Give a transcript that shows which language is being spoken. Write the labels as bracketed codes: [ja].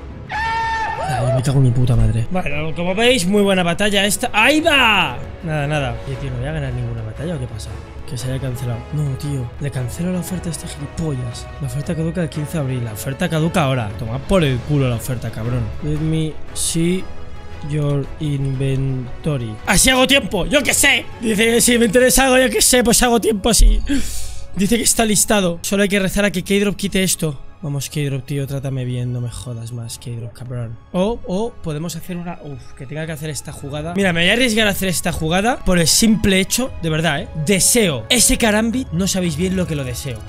[es] Ay, me cago en mi puta madre. Bueno, como veis, muy buena batalla esta. ¡Ahí va! Nada, nada. Y tío, no voy a ganar ninguna batalla, ¿o qué pasa? Que se haya cancelado. No, tío. Le cancelo la oferta a este gilipollas. La oferta caduca el 15 de abril. La oferta caduca ahora. Toma por el culo la oferta, cabrón. [en] Let me see your inventory. [es] ¡Así hago tiempo! ¡Yo qué sé! Dice que si me interesa algo, yo qué sé, pues hago tiempo así. Dice que está listado. Solo hay que rezar a que K-Drop quite esto. Vamos, K-Drop, tío, trátame bien, no me jodas más, K-Drop, cabrón. O podemos hacer una... Uf, que tenga que hacer esta jugada. Mira, me voy a arriesgar a hacer esta jugada por el simple hecho, de verdad, deseo ese Karambit, no sabéis bien lo que lo deseo.